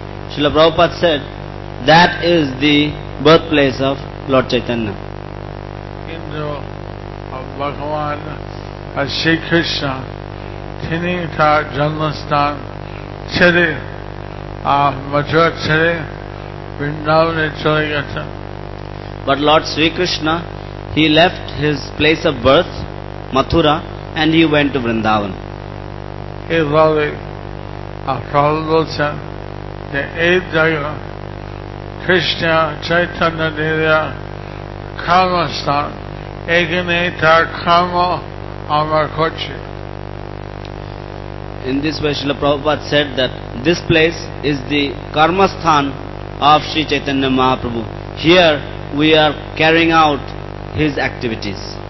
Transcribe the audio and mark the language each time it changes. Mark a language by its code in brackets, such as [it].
[en] Srila Prabhupada said that is the birthplace of Lord Chaitanya. [bn] Kindo Bhagavan Shri Krishna তিনি তার জন্মস্থান ছেড়ে মথুরা ছেড়ে বৃন্দাবনে চলে গেছেন। [en] But Lord Sri Krishna, he left his place of birth, Mathura, and he went to Vrindavan. [bn] এইভাবে প্রভু বলছেন যে এই জায়গা কৃষ্ণ চৈতন্য দেবের কর্মস্থান, এখানে তার কর্ম আমার করছে। [en] In this way, Srila Prabhupada said that this place is the karmasthan of Sri Chaitanya Mahaprabhu. Here we are carrying out his activities.